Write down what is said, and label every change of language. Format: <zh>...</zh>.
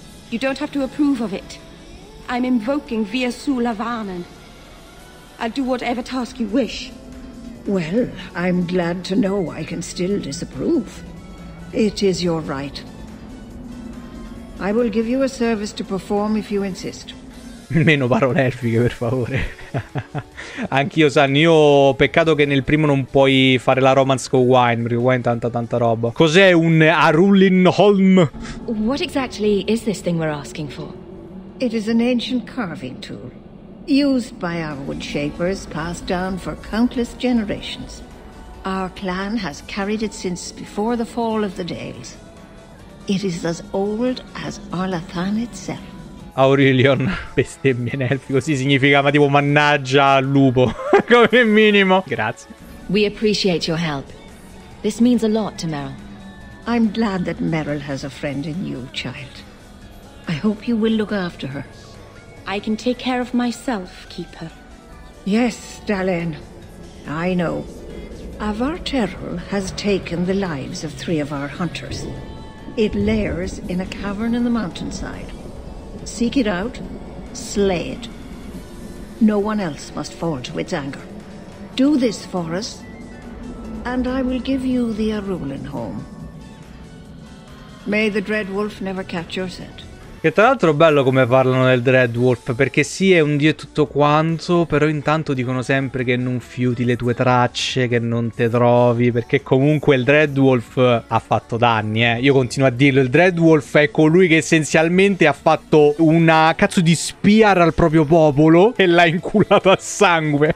<en>You don't have to approve of it. I'm invoking Viasula Varnan. I'll do whatever task you wish. Well, I'm glad to know I can still disapprove. It is your right. I will give you a service to perform if you insist.</en> <it>Meno parolerfiche, per favore. Anch'io, San, io peccato che nel primo non puoi fare la romance con Wine, perché Wine è tanta roba. Cos'è un Arulin Holm?</it> <en>What exactly is this thing we're asking for? It is an ancient carving tool, used by our wood shapers, passed down for countless generations. Our clan has carried it since before the fall of the Dales. It is as old as Arlathan itself.</en> <it>Aurelion, bestemmie in elfico, sì, significava tipo mannaggia al lupo, come minimo. Grazie.</it> <en>We appreciate your help. This means a lot to Meryl. I'm glad that Meryl has a friend in you, child. I hope you will look after her. I can take care of myself, Keeper. Yes, Dalen. I know. Avar Terrell has taken the lives of three of our hunters. It lairs in a cavern in the mountainside. Seek it out, slay it. No one else must fall to its anger. Do this for us, and I will give you the Arulin home. May the Dread Wolf never catch your scent.</en> <it>Che tra l'altro è bello come parlano del Dread Wolf, perché sì, è un dio e tutto quanto, però intanto dicono sempre che non fiuti le tue tracce, che non te trovi, perché comunque il Dread Wolf ha fatto danni, Io continuo a dirlo, il Dread Wolf è colui che essenzialmente ha fatto una cazzo di spiar al proprio popolo e l'ha inculato a sangue.</it>